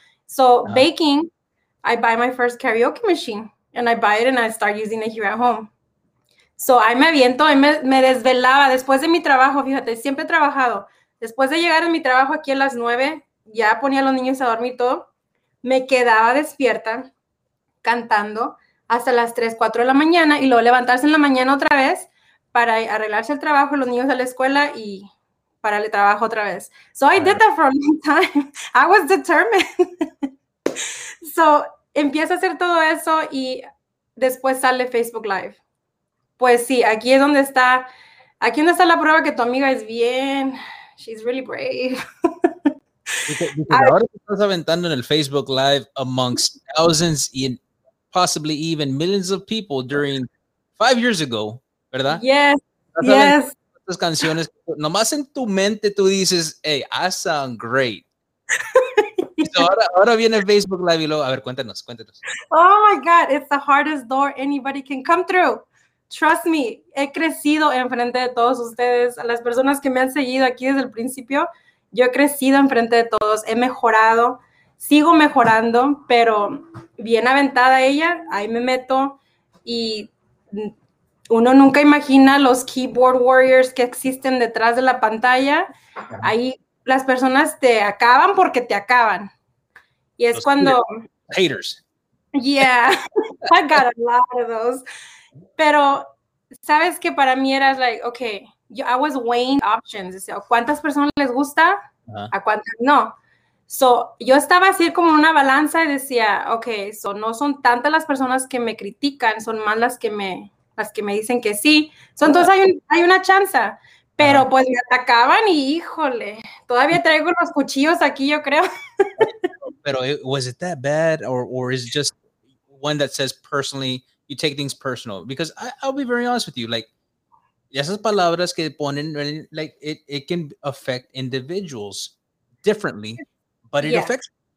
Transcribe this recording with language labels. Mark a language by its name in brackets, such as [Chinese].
[English] So baking, I buy my first karaoke machine, and I buy it, and I start using it here at home. [Spanish] So I me aviento, me desvelaba. Después de mi trabajo, fíjate, siempre he trabajado. Después de llegar a mi trabajo aquí a las 9, ya ponía a los niños a dormir todo, me quedaba despierta cantando hasta las 3, 4 de la mañana y luego levantarse en la mañana otra vez para arreglarse el trabajo, los niños a la escuela y para el trabajo otra vez. [English] So I did that for a long time. I was determined. [Spanish] So empiezo a hacer todo eso y después sale Facebook Live. Pues sí, aquí es donde está, aquí donde está la prueba que tu amiga es bien, she's really brave. [English] Dice, ahora te estás aventando en el Facebook Live amongst thousands and possibly even millions of people during 5 years ago, ¿verdad? Yes, yes. [Spanish] Estas canciones, nomás en tu mente tú dices, hey, I sound great. Ahora viene Facebook Live y luego, a ver, cuéntanos. [English] Oh my God, it's the hardest door anybody can come through. [Spanish] Trust me, he crecido enfrente de todos ustedes, a las personas que me han seguido aquí desde el principio. Yo he crecido enfrente de todos, he mejorado, sigo mejorando, pero bien aventada ella, ahí me meto y uno nunca imagina los keyboard warriors que existen detrás de la pantalla. Ahí las personas te acaban porque te acaban. Y es los cuando... [English] Haters. Yeah, I got a lot of those. Pero, ¿sabes qué? Para mí era like, okay, I was weighing options. [Spanish] O sea, ¿cuántas personas les gusta? Uh-huh. ¿A cuántas no? So, yo estaba así como una balanza y decía, okay, so no son tantas las personas que me critican, son más las que me dicen que sí. So, entonces hay una chance. Pero uh-huh. Pues me atacaban y híjole, todavía traigo los cuchillos aquí, yo creo. [English] Pero, ¿was it that bad? Or is it just one that says personally, you take things personal? Because I'll be very honest with you, like, esas palabras que ponen, like, it can affect individuals differently, but it affects.